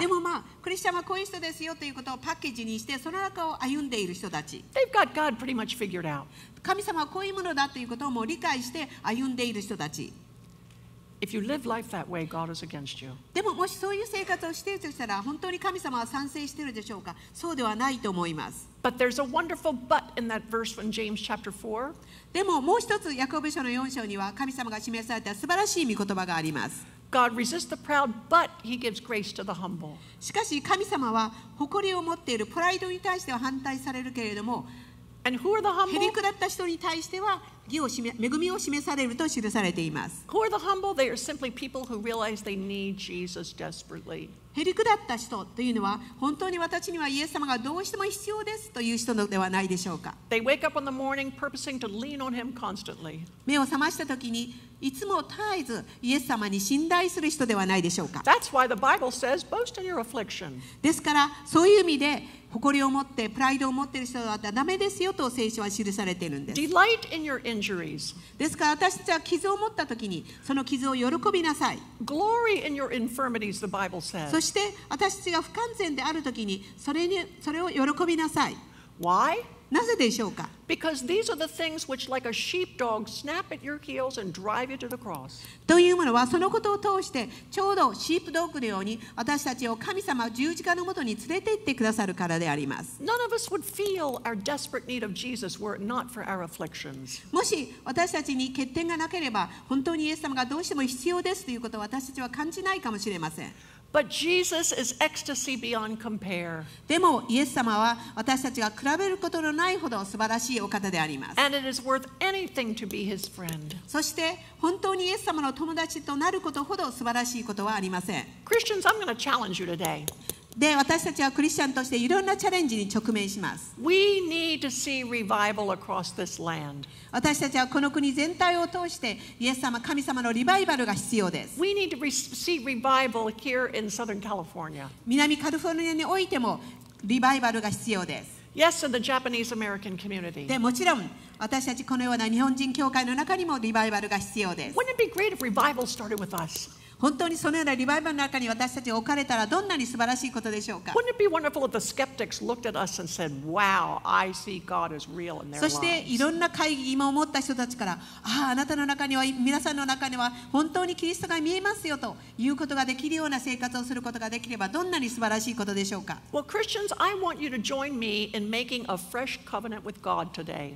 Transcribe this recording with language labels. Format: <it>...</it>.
<ja>でもまあクリスチャンはこういう人ですよということをパッケージにしてその中を歩んでいる人たち。</ja> <en>They've got God pretty much figured out.</en> <ja>神様はこういうものだということをもう理解して歩んでいる人たち。</ja> <en>If you live life that way, God is against you.</en> <ja>でももしそういう生活をしているとしたら本当に神様は賛成しているでしょうか。そうではないと思います。</ja> <en>But there's a wonderful but in that verse from James chapter 4.</en> <ja>でももう一つヤコブ書の4章には神様が示された素晴らしい御言葉があります。</ja> <en>God resists the proud, but he gives grace to the humble.</en> <ja>しかし神様は誇りを持っているプライドに対しては反対されるけれども、</ja> <en>And who are the humble?</en> <ja>減り下った人に対しては義を示、恵みを示されると記されています。</ja> <en>Who are the humble? They are simply people who realize they need Jesus desperately.</en> <ja>減り下った人というのは本当に私にはイエス様がどうしても必要ですという人のではないでしょうか。</ja> <en>They wake up in the morning purposing to lean on him constantly.</en> <ja>目を覚ました時にいつも絶えずイエス様に信頼する人ではないでしょうか。</ja> <en>That's why the Bible says boast in your affliction.</en> <ja>ですからそういう意味で誇りを持ってプライドを持っている人だったらダメですよと聖書は記されているんです。</ja> <en>Delight in your injuries.</en> <ja>ですから私たちは傷を持った時にその傷を喜びなさい。</ja> <en>Glory in your infirmities, the Bible says.</en> <ja>そして私たちが不完全である時にそれを喜びなさい。</ja> <en>Why?</en> <ja>なぜでしょうか。</ja> <en>Because these are the things which like a sheepdog snap at your heels and drive you to the cross.</en> <ja>というものはそのことを通してちょうどシープドッグのように私たちを神様十字架のもとに連れて行ってくださるからであります。</ja> <en>None of us would feel our desperate need of Jesus were it not for our afflictions.</en> <ja>もし私たちに欠点がなければ本当にイエス様がどうしても必要ですということを私たちは感じないかもしれません。</ja> <en>But Jesus is ecstasy beyond compare.</en> <ja>でもイエス様は私たちが比べることのないほど素晴らしいお方であります。</ja> <en>And it is worth anything to be his friend.</en> <ja>そして本当にイエス様の友達となることほど素晴らしいことはありません。</ja> <en>Christians, I'm going to challenge you today.</en> <ja>で私たちはクリスチャンとしていろんなチャレンジに直面します。</ja> <en>We need to see revival across this land.</en> <ja>私たちはこの国全体を通してイエス様、神様のリバイバルが必要です。</ja> <en>We need to see revival here in Southern California.</en> <ja>南カリフォルニアにおいてもリバイバルが必要です。</ja> <en>Yes, in the Japanese American community.</en> <ja>でもちろん私たちこのような日本人教会の中にもリバイバルが必要です。</ja> <en>Wouldn't it be great if revival started with us?</en> <ja>本当にそのようなリバイバルの中に私たちが置かれたらどんなに素晴らしいことでしょうか。</ja> <en>Wouldn't it be wonderful if the skeptics looked at us and said, Wow, I see God is real in their lives.</en> <ja>そしていろんな会議を持った人たちから、ああ、あなたの中には、皆さんの中には本当にキリストが見えますよということができるような生活をすることができればどんなに素晴らしいことでしょうか。</ja> <en>Well, Christians, I want you to join me in making a fresh covenant with God today.</en>